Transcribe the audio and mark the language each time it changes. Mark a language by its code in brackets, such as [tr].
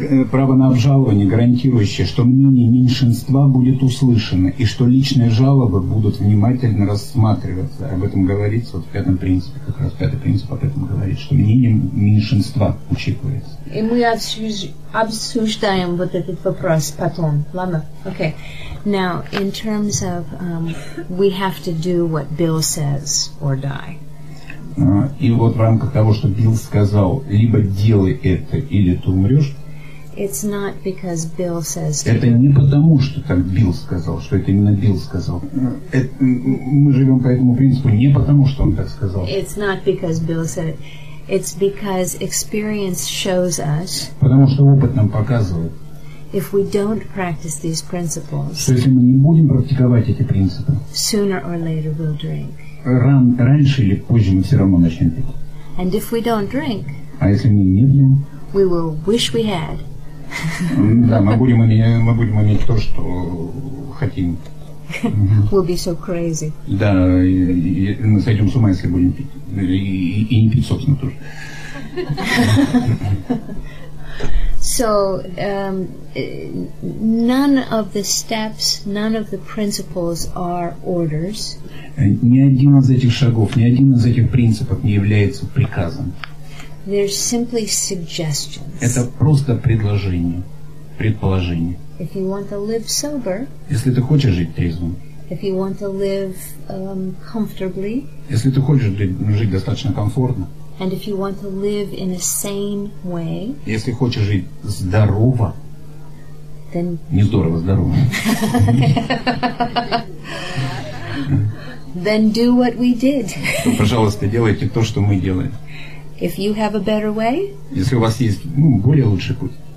[ru] Право на обжалование, гарантирующее, что мнение меньшинства будет услышано и что личные жалобы будут внимательно рассматриваться. Об этом говорится вот в пятом принципе. Как раз пятый принцип об этом говорит, что мнение меньшинства учитывается. И мы обсуждаем вот этот вопрос потом. Ладно? Okay. [en] Now, in terms of we have to do what Bill says or die. [ru] И вот в рамках того, что Билл сказал, либо делай это, или ты умрешь. [en] It's not because Bill says to... [ru] Это не потому, что там Билл сказал, что это именно Билл сказал. Это, мы живем по этому принципу не потому, что он так сказал. [en] It's not because Bill said. It's because experience shows us. [ru] Потому что опыт нам показывает. [en] If we don't practice these principles. [ru] Что если мы не будем практиковать эти принципы. [en] Sooner or later we'll drink. [ru] Раньше или позже мы все равно начнем пить. [en] And if we don't drink, [ru] а если мы не пьем, [en] we will wish we had. [ru] Да, мы будем иметь то, что хотим. [en] We'll be so crazy. [ru] Да, и мы сойдем с ума, если будем пить. И не пить, собственно, тоже. [en] So, none of the steps, none of the principles are orders. [ru] Ни один из этих шагов, ни один из этих принципов не является приказом. [en] They're simply suggestions. [ru] Это просто предложение, предположение. [en] If you want to live sober, [ru] если ты хочешь жить трезвым, [en] if you want to live, comfortably, [ru] если ты хочешь жить достаточно комфортно, [en] and if you want to live in a sane way, [ru] если хочешь жить здорово, [en] then... [ru] не здорово, здорово. [en] Then do what we did. [ru] Пожалуйста, делайте то, что мы делаем. [en] If you have a better way, [ru] если у вас есть более лучший путь,